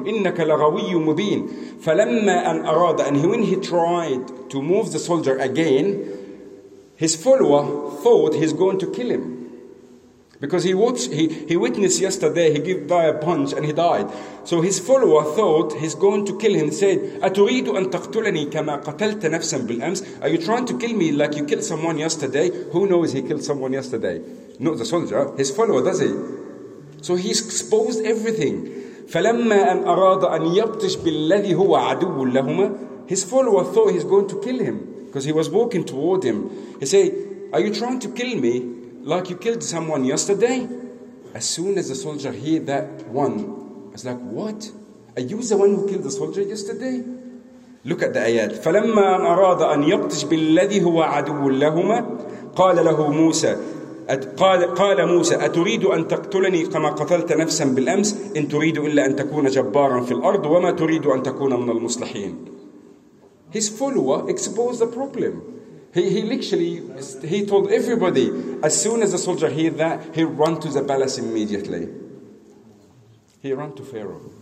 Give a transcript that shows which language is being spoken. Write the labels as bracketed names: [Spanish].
[Arabic] إِنَّكَ لَغَوِيٌّ مُبِينٌ. فَلَمَّا أَنْ أَرَادَ. [English] And when he tried to move the soldier again, his follower thought he's going to kill him. Because he witnessed yesterday, he gave guy a punch and he died. So his follower thought he's going to kill him. He said, [Arabic] أَتُرِيدُ أَن تَقْتُلَنِي كَمَا قَتَلْتَ نَفْسًا بِالْأَمْسِ. [English] Are you trying to kill me like you killed someone yesterday? Who knows he killed someone yesterday? Not the soldier, his follower, does he? So he's exposed everything. [Arabic] فَلَمَّا أَنْ أَرَادَ أَنْ يَبْتِشْ بِالَّذِي هُوَ عَدُوٌ لَهُمَا. [English] His follower thought he's going to kill him because he was walking toward him. He said, are you trying to kill me like you killed someone yesterday? As soon as the soldier heard that one, it's like, what? Are you the one who killed the soldier yesterday? Look at the ayat. [Arabic] فَلَمَّا أَنْ أَرَادَ أَنْ يَبْتِشْ بِالَّذِي هُوَ عَدُوٌ لَهُمَا قَالَ لَهُ مُوسَى. قال موسى أتريد أن تقتلني كما قتلت نفسا بالأمس إن تريد إلا أن تكون جبارا في الأرض وما تريد أن تكون من المصلحين. [English] His follower exposed the problem. He told everybody, as soon as the soldier heard that, he ran to the palace immediately. He ran to Pharaoh.